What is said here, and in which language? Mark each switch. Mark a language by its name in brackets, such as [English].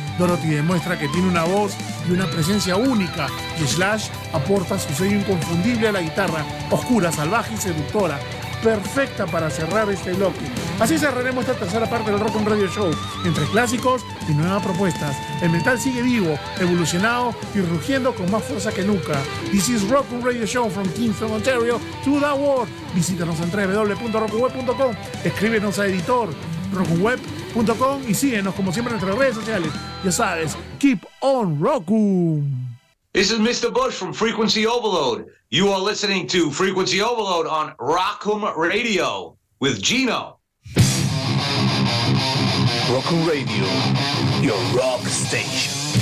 [Spanish] Dorothy demuestra que tiene una voz y una presencia única, y Slash aporta su sello inconfundible a la guitarra, oscura, salvaje y seductora, perfecta para cerrar este bloque. Así cerraremos esta tercera parte del Rock on Radio Show, entre clásicos y nuevas propuestas. El metal sigue vivo, evolucionado y rugiendo con más fuerza que nunca. [English] This is Rock on Radio Show from Kingston, Ontario to the world. [Spanish] Visítanos en www.rockweb.com. Escríbenos a editor rockweb.com y síguenos como siempre en nuestras redes sociales. Ya sabes, [English] keep on Roku. This is Mr. Bush from Frequency Overload. You are listening to Frequency Overload on Rock'em Radio with Gino. Rock'em Radio, your rock station.